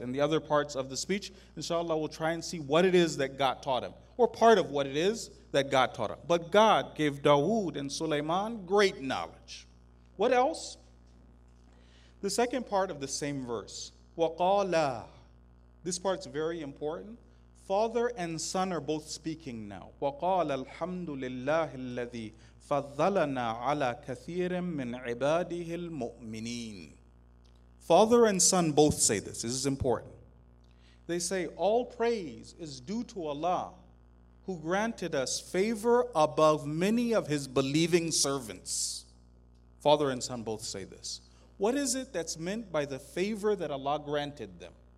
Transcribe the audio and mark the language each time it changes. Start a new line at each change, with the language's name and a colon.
English: In the other parts of the speech, inshallah, we'll try and see what it is that God taught him, or part of what it is that God taught him. But God gave Dawood and Sulaiman great knowledge. What else? The second part of the same verse, waqala. This part's very important. Father and son are both speaking now.
Arabic: وَقَالَ الْحَمْدُ لِلَّهِ الَّذِي فَضَّلَنَا عَلَى كَثِيرٍ مِّنْ عِبَادِهِ الْمُؤْمِنِينَ
English: Father and son both say this. This is important. They say, all praise is due to Allah who granted us favor above many of his believing servants. Father and son both say this. What is it that's meant by the favor that Allah granted them?